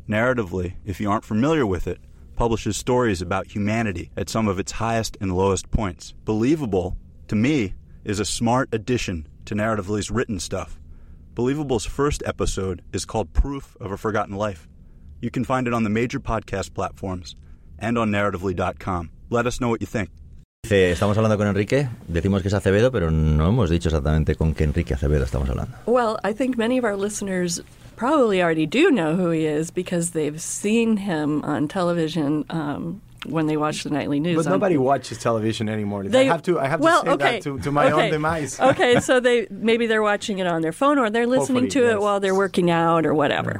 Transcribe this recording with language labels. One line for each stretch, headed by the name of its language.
English: Narratively, if you aren't familiar with it, publishes stories about humanity at some of its highest and lowest points. Believable, to me, is a smart addition to Narratively's written stuff. Believable's first episode is called Proof of a Forgotten Life. You can find it on the major podcast platforms and on Narratively.com. Let us know what you think.
Spanish: Estamos hablando con Enrique. Decimos que es Acevedo, pero no hemos dicho exactamente con qué Enrique Acevedo estamos hablando.
English: Well, I think many of our listeners probably already do know who he is because they've seen him on television when they watch the nightly news. But nobody watches television anymore. I have to say that to my own demise. Okay, so maybe they're watching it on their phone or they're listening to it while they're working out or whatever.